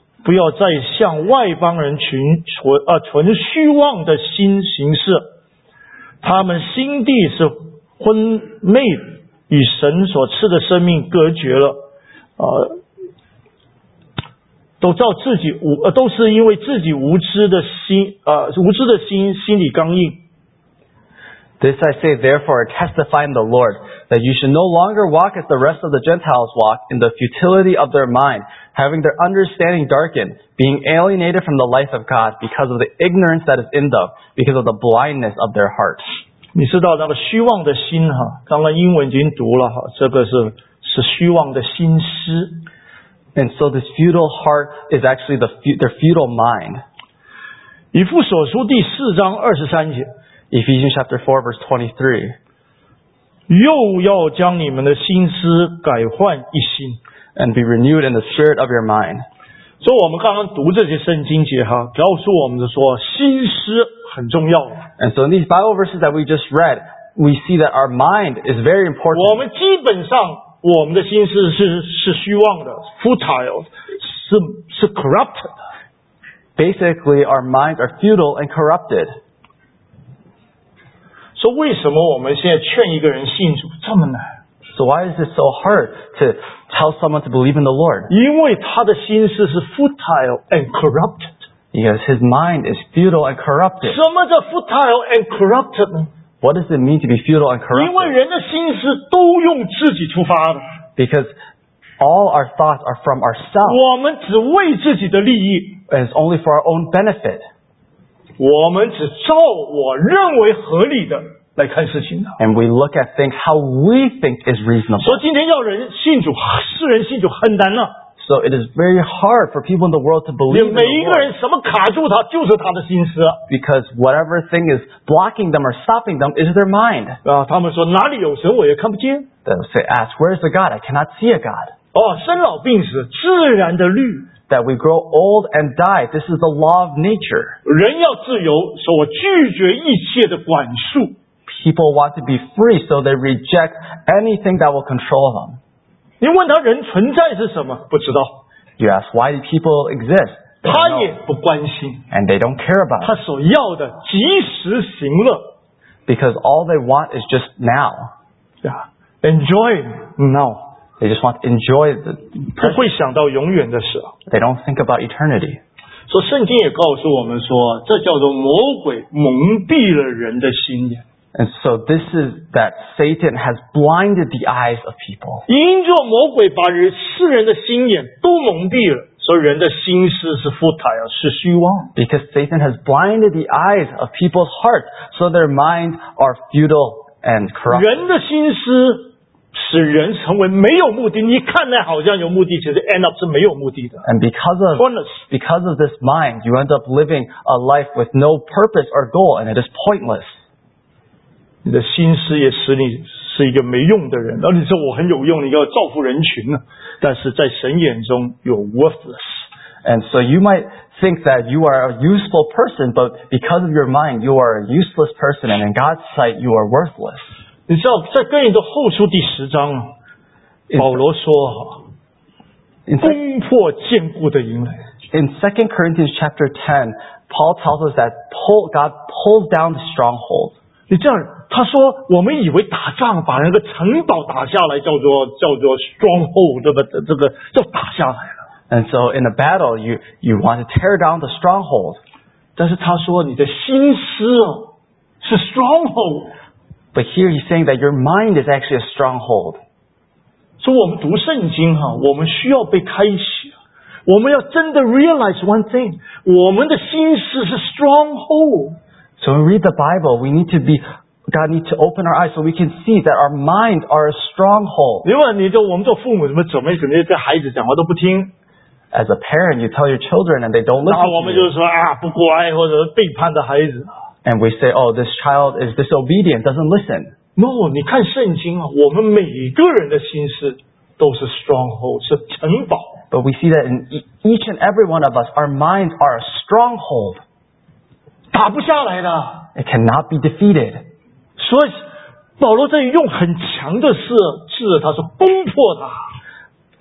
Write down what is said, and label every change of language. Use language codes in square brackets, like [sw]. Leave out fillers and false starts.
[zh] 不要再向外邦人存虚妄的心行事，他们心地是昏昧，与神所赐的生命隔绝了，都是因为自己无知的心，无知的心，心里刚硬。 [en] This I say, therefore, testify in the Lord, that you should no longer walk as the rest of the Gentiles walk, in the futility of their mind, having their understanding darkened, being alienated from the life of God, because of the ignorance that is in them, because of the blindness of their hearts. [zh] 你知道那个虚妄的心哈，刚刚英文已经读了哈，这个是虚妄的心思。 [en] And so this futile heart is actually their futile mind. [zh] 以弗所书第四章二十三节。 [en] Ephesians chapter 4 verse 23. [zh] 又要将你们的心思改换一新。 [en] And be renewed in the spirit of your mind. [zh] 所以我们刚刚读这些圣经节哈，告诉我们说心思很重要。 [en] And so in these Bible verses that we just read, we see that our mind is very important. [zh] 我们基本上我们的心思是虚妄的 ,futile, 是 corrupted. [en] Basically, our minds are futile and corrupted. [zh] So, 为什么我们现在劝一个人信主这么难? [en] So, why is it so hard to tell someone to believe in the Lord? [zh] 因为他的心思是 [en] futile and corrupted. Because his mind is futile and corrupted. [zh] 什么叫 [en] futile and corrupted? What does it mean to be futile and corrupted? [zh] 因为人的心思都用自己出发的。 [en] Because all our thoughts are from ourselves. [zh] 我们只为自己的利益。 [en] And it's only for our own benefit. [zh] 我们只照我认为合理的来看事情的。 [en] And we look at things how we think is reasonable. [zh] 所以今天要人信主，世人信主很难了。 [en] So it is very hard for people in the world to believe in the Lord. [zh] 每一个人什么卡住他，就是他的心思。 [en] Because whatever thing is blocking them or stopping them is their mind. [zh] 他们说哪里有神我也看不见。 [en] They'll say, ask, where is the God? I cannot see a God. [zh] 生老病死，自然的律。 [en] That we grow old and die. This is the law of nature. [zh] 人要自由，所以我拒绝一切的管束。 [en] People want to be free, so they reject anything that will control them. [zh] 你问他人存在是什么？不知道。 [en] You ask why people exist. [zh] 他也不关心。 [en] And they don't care about it. [zh] 他所要的及时行乐。 [en] Because all they want is just now. Yeah. Enjoy now. They just want to enjoy the [zh] 不会想到永远的事。 [en] They don't think about eternity. [zh] 所以圣经也告诉我们说，这叫做魔鬼蒙蔽了人的心眼。 [en] And so this is that Satan has blinded the eyes of people. [zh] 因着魔鬼把世人的心眼都蒙蔽了，所以人的心思是 futile， 是虚妄。 [en] Because Satan has blinded the eyes of people's hearts, so their minds are futile and corrupt. [zh] 人的心思。使人成为没有目的，你看来好像有目的，其实 [en] end up [zh] 是没有目的的。 [en] And because of this mind, you end up living a life with no purpose or goal, and it is pointless. [zh] 你的心思也使你是一个没用的人。而你说我很有用，你要造福人群呢？但是在神眼中 ， [en] you're worthless. And so you might think that you are a useful person, but because of your mind, you are a useless person, and in God's sight, you are worthless. [zh] 你知道在哥林多后书第十章保罗说攻破坚固的营垒。 [en] In 2 Corinthians chapter 10, Paul tells us that God pulls down the stronghold. [zh] 你知道他说我们以为打仗把那个城堡打下来叫做 stronghold, 对吧这个叫打下来了。 [en] And so in a battle, you want to tear down the stronghold. [zh] 但是他说你的心思是 stronghold。 [en] But here he's saying that your mind is actually a stronghold. So we read [zh] 圣经哈，我们需要被开启。我们要真的 [en] realize one thing: [zh] 我们的心思是 stronghold. [en] So when we read the Bible, we need to be God needs to open our eyes so we can see that our minds are a stronghold. [zh] 因为你就我们做父母，怎么这孩子讲话都不听。 [en] As a parent, you tell your children and they don't listen. [zh] 那我们就说啊，不乖或者背叛的孩子。 [en] And we say, oh, this child is disobedient, doesn't listen. [zh] No, 你看圣经啊，我们每个人的心思都是 stronghold, 是城堡。 [en] But we see that in each and every one of us, our minds are a stronghold. [zh] 打不下来的。 [en] It cannot be defeated. [zh] 所以保罗这里用很强的字，他说攻破它。